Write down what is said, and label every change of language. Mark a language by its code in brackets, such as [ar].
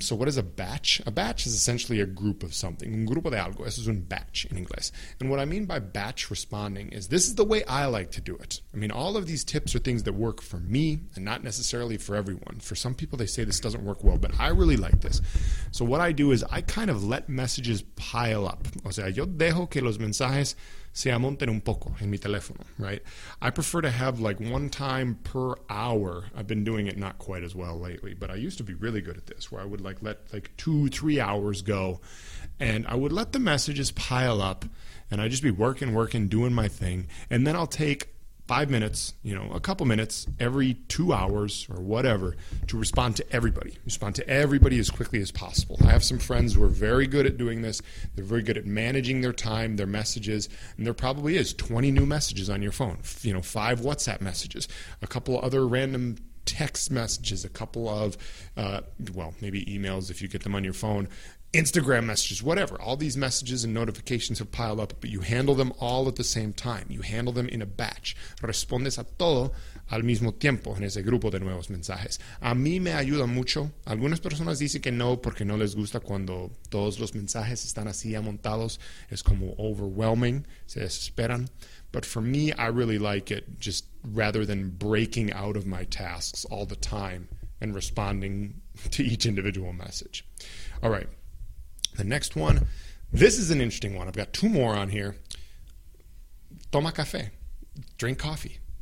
[en] So what is a batch? A batch is essentially a group of something. [es] Un grupo de algo. Eso es un batch [en] in English. And what I mean by batch responding is this is the way I like to do it. I mean, all of these tips are things that work for me and not necessarily for everyone. For some people, they say this doesn't work well, but I really like this. So what I do is I kind of let messages pile up. [es] O sea, yo dejo que los mensajes se amonten un poco en mi teléfono, [en] right? I prefer to have like one time per hour. I've been doing it not quite as well lately, but I used to be really good at this, where I would like let like 2-3 hours go, and I would let the messages pile up, and I'd just be working, doing my thing, and then I'll take 5 minutes, you know, a couple minutes every 2 hours or whatever to respond to everybody. Respond to everybody as quickly as possible. I have some friends who are very good at doing this. They're very good at managing their time, their messages, and there probably is 20 new messages on your phone. You know, 5 WhatsApp messages, a couple other random text messages, a couple of, maybe emails if you get them on your phone, Instagram messages, whatever. All these messages and notifications have piled up, but you handle them all at the same time. You handle them in a batch. [es] Respondes a todo al mismo tiempo en ese grupo de nuevos mensajes. A mí me ayuda mucho. Algunas personas dicen que no porque no les gusta cuando todos los mensajes están así amontados. Es como overwhelming. Se desesperan. [en] But for me, I really like it just rather than breaking out of my tasks all the time and responding to each individual message. All right. The next one, this is an interesting one. I've got two more on here. [es] Toma café. [en] Drink coffee.